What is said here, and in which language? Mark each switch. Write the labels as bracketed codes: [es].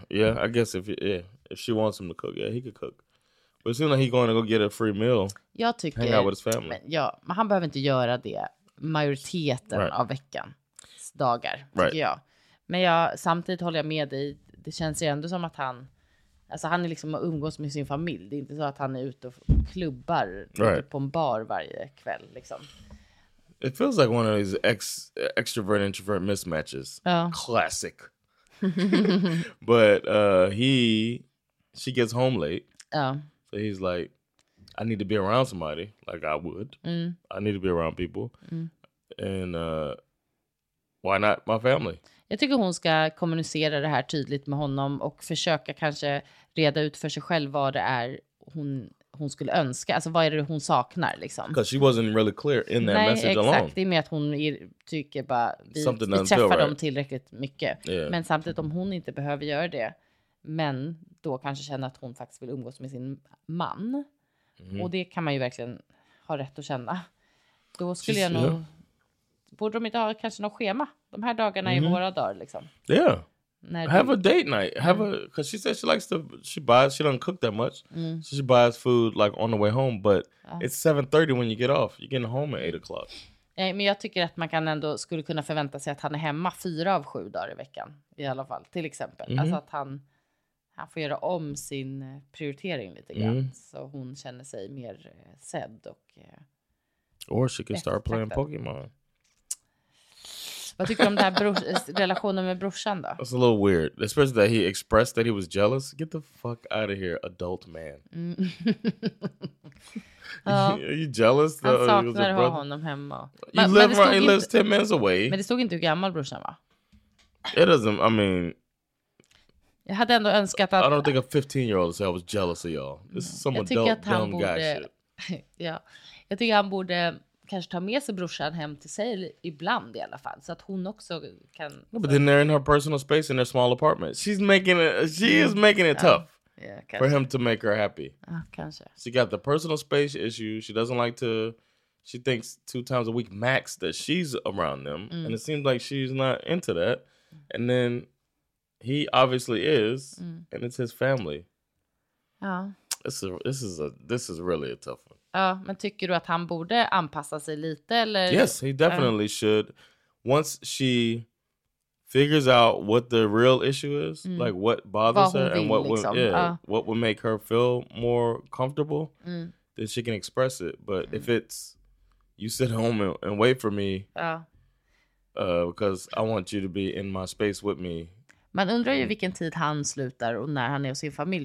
[en] Yeah, I guess if she wants him to cook, yeah, he could cook. But it seems like he's going to go get a free meal. [sv] Jag tycker. [en] Hang out with his family. [sv] Men han behöver inte göra det majoriteten av veckans dagar. Tycker jag. Men jag samtidigt håller jag med dig. Det känns ju ändå som att han. Alltså han är liksom att umgås med sin familj. Det är inte så att han är ute och klubbar på en bar varje kväll. Liksom. [en] It feels like one of these extrovert introvert mismatches. Classic. But she gets home late. So he's like, I need to be around somebody like I would. I need to be around people. And why not my family? [sv] Jag tycker hon ska kommunicera det här tydligt med honom och försöka kanske reda ut för sig själv vad det är hon skulle önska. Alltså vad är det hon saknar liksom? [en] Because she wasn't really clear in that message [sv] exakt. [en] Alone. [sv] Nej, exakt. Det är med att hon tycker bara vi träffar dem tillräckligt mycket. [en] Yeah. [sv] Men samtidigt om hon inte behöver göra det, men då kanske känner att hon faktiskt vill umgås med sin man. Och det kan man ju verkligen ha rätt att känna. Då skulle jag nog... [en] Yeah. [sv] Borde de inte ha kanske något schema? De här dagarna är våra dagar liksom. [en] Yeah. Have a date night. Have a, cause she said she likes to, she doesn't cook that much. So she buys food like on the way home. But it's 7:30 when you get off. You're getting home at 8:00. [sv] Nej, men jag tycker att man kan ändå, skulle kunna förvänta sig att han är hemma 4 av 7 dagar i veckan. I alla fall, till exempel. Alltså att han får göra om sin prioritering lite grann. Så hon känner sig mer sedd och [en] Or she can start playing Pokémon. [sv] Vad tycker du om den här relationen med brorsan då? [en] It's a little weird. Especially that he expressed that he was jealous. Get the fuck out of here, adult man. [sv] Ja. [en] Are you jealous? [sv] Han saknar att ha honom hemma. [en] He lives 10 minutes away. [sv] Men det stod inte hur gammal brorsan var. [en] It doesn't, I mean... [sv] Jag hade ändå önskat att... [en] I don't think a 15-year-old said I was jealous of y'all. This is some adult, dumb borde, guy shit. [sv] Ja. Jag tycker han borde kanske ta med sig brorsan hem till sig ibland i alla fall. Så att hon också kan... [en] No, but then they're in her personal space in their small apartment. She's making it, she is making it tough. Yeah, for him to make her happy. [sv] Kanske. [en] She got the personal space issue. She doesn't like to... She thinks 2 times a week max that she's around them. Mm. And it seems like she's not into that. And then... He obviously is, and it's his family. [sv] Ja. [en] This is really a tough one. [sv] Ja, men tycker du att han borde anpassa sig lite eller? [en] Yes, he definitely should. Once she figures out what the real issue is, like what bothers her and what would what would make her feel more comfortable, then she can express it. But if it's you sit home and wait for me, because I want you to be in my space with me. [sv] Man undrar ju vilken tid han slutar och när han är hos sin familj.